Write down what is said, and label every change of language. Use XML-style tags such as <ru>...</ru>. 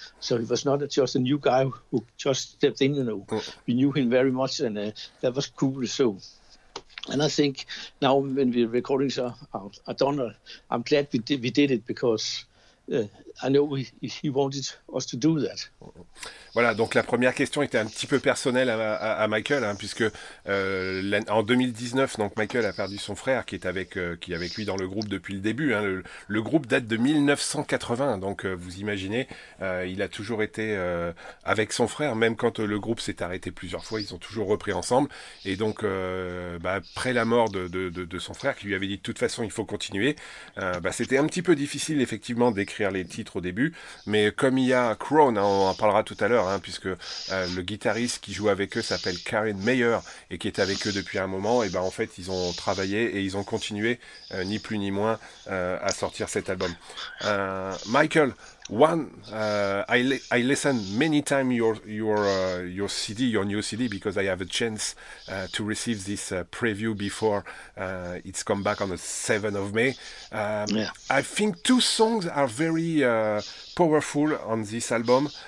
<en>So he was not just a new guy who just stepped in, you know. We knew him very much, and that was cool. So, and I think now when the recordings are out, I'm glad we did it because. I know he wanted us to do that.</en> <fr>Voilà, donc la première question était un petit peu personnelle à Michael, hein, puisque en 2019, donc Michael a perdu son frère qui est avec lui dans le groupe depuis le début. Hein, le groupe date de 1980, donc vous imaginez, il a toujours été avec son frère, même quand le groupe s'est arrêté plusieurs fois, ils ont toujours repris ensemble. Et donc, après la mort de son frère, qui lui avait dit de toute façon il faut continuer, c'était un petit peu difficile effectivement d'écrire les titres au début, mais comme il y a Crown, hein, on en parlera tout à l'heure, hein, puisque le guitariste qui joue avec eux s'appelle Karen Mayer et qui est avec eux depuis un moment, et ben en fait ils ont travaillé et ils ont continué ni plus ni moins à sortir cet album.</fr> <en>Michael, I listen many times your CD, your new CD, because I have a chance to receive this preview before it's come back on the 7th of May. I think two songs are very powerful on this album.</en>